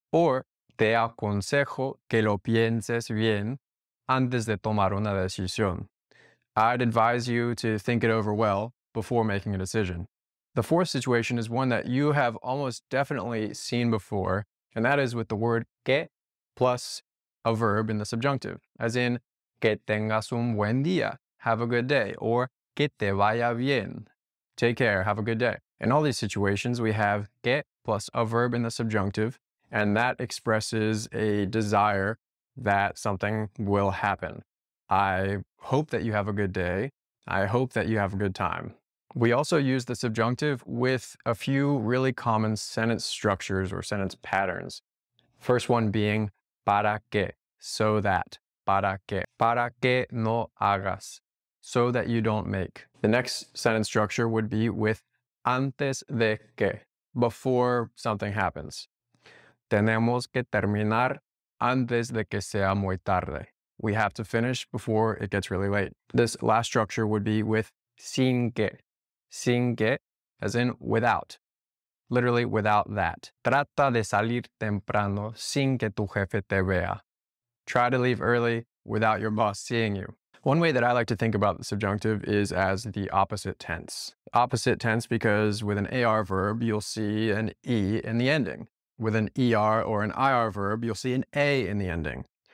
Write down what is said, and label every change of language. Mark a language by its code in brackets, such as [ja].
[es] Or, te aconsejo que lo pienses bien antes de tomar una decisión. [en] I'd advise you to think it over well before making a decision. The fourth situation is one that you have almost definitely seen before, and that is with the word que plus a verb in the subjunctive, as in, que tengas un buen día, have a good day, or que te vaya bien, take care, have a good day. In all these situations, we have que plus a verb in the subjunctive, and that expresses a desire that something will happen. I hope that you have a good day. I hope that you have a good time. We also use the subjunctive with a few really common sentence structures or sentence patterns. First one being para que, so that, para que no hagas, so that you don't make. The next sentence structure would be with antes de que, before something happens. [es] Tenemos que terminar antes de que sea muy tarde. [en] We have to finish before it gets really late. This last structure would be with sin que, as in without, literally without that. [es] Trata de salir temprano sin que tu jefe te vea. [en] Try to leave early without your boss seeing you. One way that I like to think about the subjunctive is as the opposite tense. Opposite tense because with an AR verb, you'll see an E in the ending. With an ER or an IR verb, you'll see an A in the ending.